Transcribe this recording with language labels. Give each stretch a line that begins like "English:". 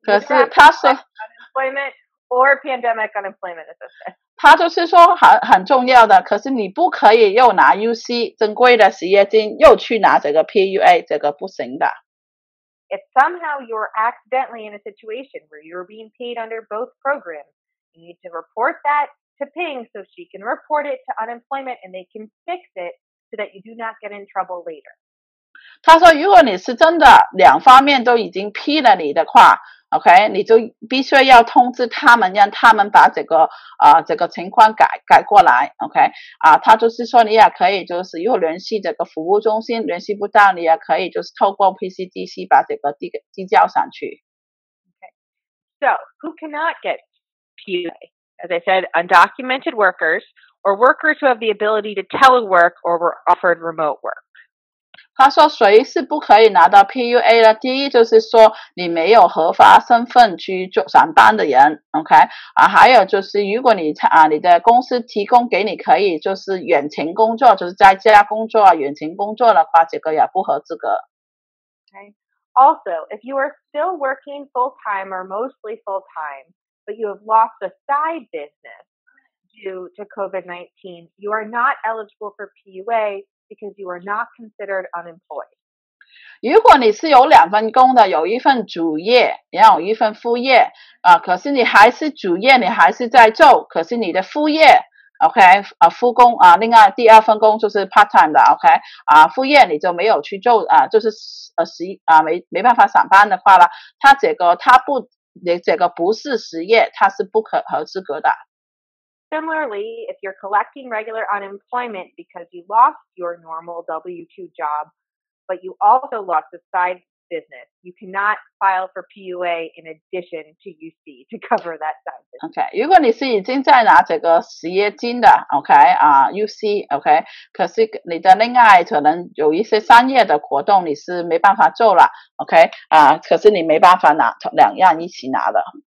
Chinese: 可是他说
English: unemployment or pandemic unemployment assistance.
Chinese: 他就是说 很重要的，可是你不可以又拿 UC 正规的失业金又去拿这个 PUA, 这个不行的。
English: If somehow you're accidentally in a situation where you're being paid under both programs, you need to report that to Ping so she can report it to unemployment and they can fix it so that you do not get in trouble later.
Chinese: 他说如果你是真的两方面都已经批了你的话 ,OK, 你就必须要通知他们让他们把这个情况改过来 ,OK, 他就是说你也可以就是如果联系这个服务中心联系不到你也可以就是透过 PCDC 把这个递交上去。
English: Okay. So, who cannot get PUA? As I said, undocumented workers or workers who have the ability to telework or were offered remote work.
Chinese: 他说谁是不可以拿到 PUA 的，第一就是说你没有合法身份去做上班的人 ,OK? 还有就是如果你的公司提供给你可以就是远程工作，就是在家工作远程工作的话，这个也不合资格。
English: Okay. Also, if you are still working full-time or mostly full-time, but you have lost a side business due to COVID-19, you are not eligible for PUA,because you are not considered unemployed.
Chinese: 如果你是有两份工的，有一份主业，然后一份副业，可是你还是主业，你还是在做，可是你的副业 ，OK， 副工另外第二份工就是 part time 的 ，OK， 副业你就没有去做就是没办法上班的话了，他这个不是失业，他是不可合资格的。
English: Similarly, if you're collecting regular unemployment because you lost your normal W-2 job, but you also lost a side business, you cannot file for PUA in addition to UC to cover that side business.
Chinese: Okay, 如果你是已经在拿这个失业金的 okay, UC, okay, 可是你的另外可能有一些商业的活动你是没办法做了 okay, 可是你没办法拿两样一起拿的。